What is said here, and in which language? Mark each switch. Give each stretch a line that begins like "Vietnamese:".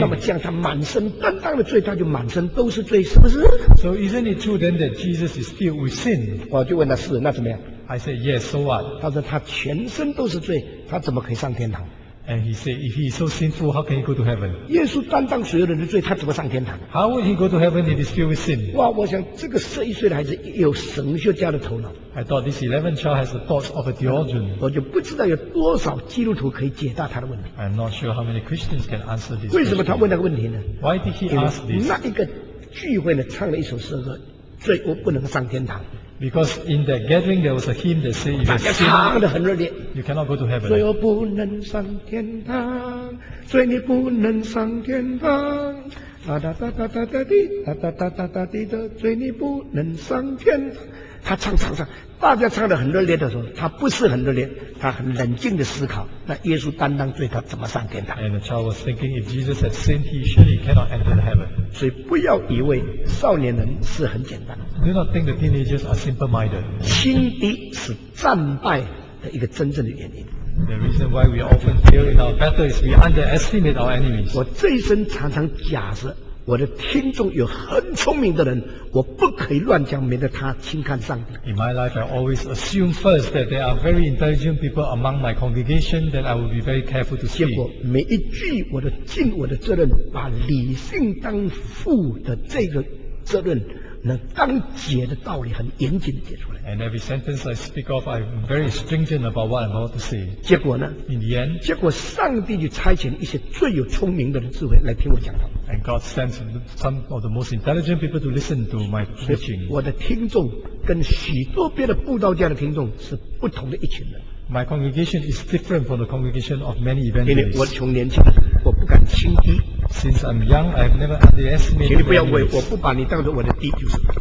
Chinese: 那么这样，他满身担当的罪，他就满身都是罪，是不是？
English: So isn't it true then that Jesus is filled with sin?
Chinese: 我就问他是，那怎么样？
English: I said yes, so what?
Chinese: 他说他全身都是罪，他怎么可以上天堂？
English: And he said if he is so sinful, how can he go to heaven?
Chinese: 耶稣担当所有人的罪，他怎么上天堂？
English: How would he go to heaven if he's filled with sin?
Chinese: 哇，我想这个11岁的孩子有神学家的头脑。
English: I thought this 11 child has the thoughts of a theologian.
Chinese: 我就不知道有多少基督徒可以解答他的问题。
English: I'm not sure how many Christians can answer this.
Chinese: 为什么他问那个问题呢？
English: Why did he ask this?
Chinese: 那一个聚会呢，唱了一首诗歌，罪恶不能上天堂。
English: Because in that gathering there was a hymn that said,
Chinese: 大家唱得很热烈。
English: You cannot go to heaven.
Chinese: 罪恶不能上天堂，罪孽不能上天堂。哒哒哒哒哒哒滴，哒哒哒哒哒滴的，罪孽不能上天堂。他唱唱唱，大家唱得很热烈的时候，他不是很热烈，他很冷静的思考，那耶稣担当罪，他怎么上天堂？
English: And the child was thinking, if Jesus had sinned, he surely cannot enter the heaven.
Chinese: 所以不要以为少年人是很简单。
English: Do not think the teenagers are simple-minded.
Chinese: 轻敌是战败的一个真正的原因。
English: The reason why we often fail in our battle is we underestimate our enemies.
Chinese: 我这一生常常假设我的听众有很聪明的人，我不可以乱讲，免得他轻看上帝。
English: In my life, I always assume first that there are very intelligent people among my congregation that I will be very careful to speak.
Chinese: 结果每一句我都尽我的责任，把理性当父的这个责任，那当解的道理很严谨的解出来。
English: And every sentence I speak of, I'm very stringent about what I'm about to say.
Chinese: 结果呢？
English: In the end,
Chinese: 结果上帝就差遣一些最有聪明的人智慧来听我讲道。
English: And God sends some of the most intelligent people to listen to my preaching.
Chinese: 我的听众跟许多别的布道家的听众是不同的一群人。
English: My congregation is different from the congregation of many evangelists.
Chinese: 因为我从年轻，我不敢轻敌。
English: Since I'm young, I've never underestimated.
Chinese: 请你不要为我不把你当作我的敌，就是。